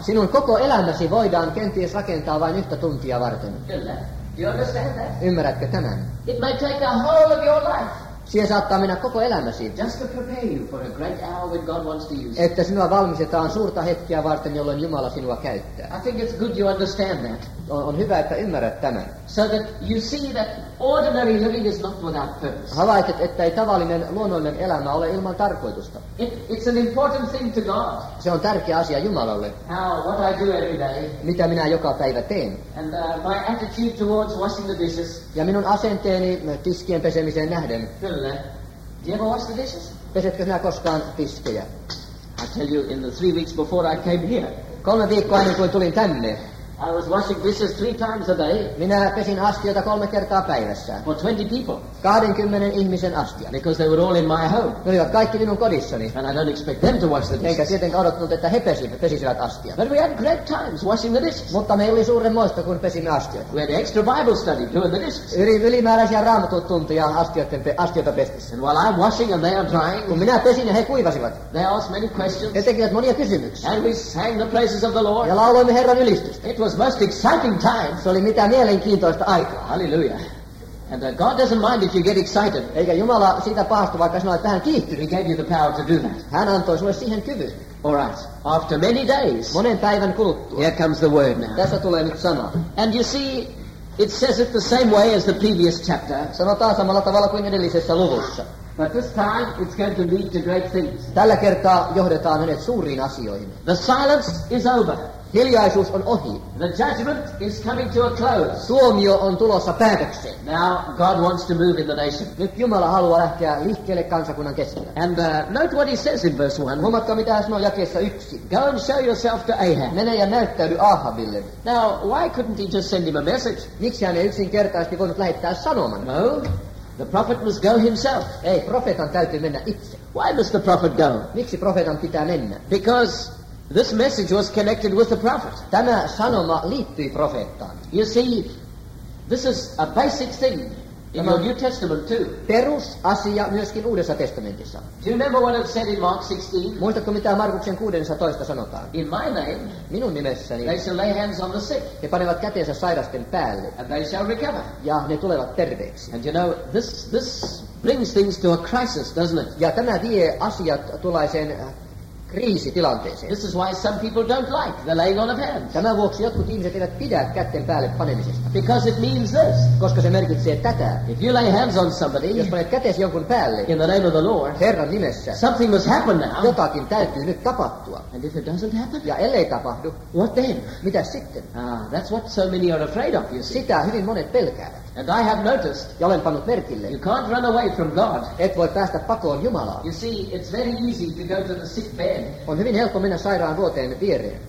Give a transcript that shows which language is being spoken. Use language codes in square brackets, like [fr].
[fi] Sinun koko elämäsi voidaan kenties rakentaa vain yhtä tuntia varten. [en] Kyllä. You understand that? [fi] Ymmärrätkö tämän? [en] It may take a whole of your life. [fi] Siihen saattaa mennä koko elämäsi. [en] Just to prepare you for a great hour when God wants to use. [fi] Että sinua valmistetaan suurta hetkeä varten, jolloin Jumala sinua käyttää. [en] I think it's good you understand that. [fi] On hyvä, että ymmärrät tämän. [en] So that you see that ordinary living is not without purpose. [fi] Havaitet, että ei tavallinen luonnollinen elämä ole ilman tarkoitusta. [en] It's an important thing to God. [fi] Se on tärkeä asia Jumalalle. [en] How, what I do every day. [fi] Mitä minä joka päivä teen. [en] And my attitude towards washing the dishes. [fi] Ja minun asenteeni tiskien pesemiseen nähden. [en] Kyllä. Do you ever wash the dishes? [fi] Pesetkö sinä koskaan tiskejä? [en] I tell you, in the 3 weeks before I came here. [fi] 3 viikkoa ennen kuin tulin tänne. [en] I was washing dishes 3 times a day. [fi] Minä pesin astioita 3 kertaa päivässä. [en] For 20 people. [fi] 20 ihmisen astia. [en] Because they were all in my home. [fi] Ne olivat kaikki minun kodissani. [en] And I don't expect them to wash the dishes. [fi] Enkä tietenkään odottanut, että he pesisivät astia. [en] But we had great times washing the dishes. [fi] Mutta meillä oli suuren moista, kun pesimme astioita. [en] We had extra Bible study doing the dishes. [fi] Ylimääräisiä raamatutuntia astioita pestissä. [en] And while I'm washing and they are drying. [fi] Kun minä pesin ja he kuivasivat. [en] They asked many questions. [fi] He tekivät monia kysymyksiä. [en] And we sang the praises of the Lord. [fi] Ja lauloimme Herran ylistystä. [en] It was most exciting time. [fi] Se oli mitä mielenkiintoista aikaa. Hallelujah. [en] And God doesn't mind if you get excited. [fi] Eikä Jumala siitä pahastu, vaikka sinä olet vähän kiihtynyt. [en] He gave you the power to do that. [fi] Hän antoi sinulle siihen kyvyn. [en] All right. After many days. [fi] Monen päivän kuluttua. [en] Here comes the word now. [fi] Tässä tulee nyt sana. [en] And you see, it says it the same way as the previous chapter. [fi] Sanotaan samalla tavalla kuin edellisessä luvussa. [en] But this time it's going to lead to great things. [fi] Tällä kertaa johdetaan hänet suuriin asioihin. [en] The silence is over. [fi] Hiljaisuus on ohi. [en] The judgment is coming to a close. [fi] Tuomio on tulossa päätökseen. [en] Now God wants to move in the nation. [fi] Nyt Jumala haluaa lähteä liikkeelle kansakunnan keskellä. [en] And note what he says in verse 1. [fi] Huomatkaa mitä hän sanoo jakeessa 1. [en] Go and show yourself to Ahab. [fi] Mene ja näyttäydy Ahabille. [en] Now why couldn't he just send him a message? [fi] Miksi hän ei yksinkertaisesti voinut lähettää sanoman? [en] No. The prophet must go himself. [fi] Ei, profeetan täytyy mennä itse. [en] Why must the prophet go? [fi] Miksi profeetan pitää mennä? [en] Because this message was connected with the prophet. [fi] Tämä sanoma liittyi profeettaan. [en] You see, this is a basic thing in the New Testament too. [fi] Perusasia myöskin Uudessa testamentissa. [en] Do you remember what it said in Mark 16? [fi] Muistatko mitä Markuksen 16 sanotaan? [en] In my name, [fi] minun nimessäni, [en] they shall lay hands on the sick. [fi] He panevat kätensä sairasten päälle. [en] And they shall recover. [fi] Ja ne tulevat terveeksi. [en] And you know, this brings things to a crisis, doesn't it? [fi] Ja tämä vie asiat tulaiseen kriisitilanteeseen. [en] This is why some people don't like the laying on of hands. [fi] Tämän vuoksi jotkut ihmiset eivät pidä kätten päälle panemisesta. [en] Because it means this. [fi] Koska se merkitsee tätä. [en] If you lay hands on somebody, [fi] jos panet kätesi jonkun päälle, [en] in the name of the Lord, [fi] Herran nimessä, [en] something must happen now. [fi] Jotakin täytyy nyt tapahtua. [en] And if it doesn't happen, [fi] ja ellei tapahdu, [en] what then? [fi] Mitä sitten? [en] Ah, that's what so many are afraid of, you see. [fi] Sitä hyvin monet pelkäävät. [en] And I have noticed. [fi] Ja olen pannut merkille. [en] You can't run away from God. [fi] Et voi päästä pakoon Jumalaa. [en] You see, it's very easy to go to the sick bed. [fi] On hyvin helppo mennä sairaan vuoteen viereen.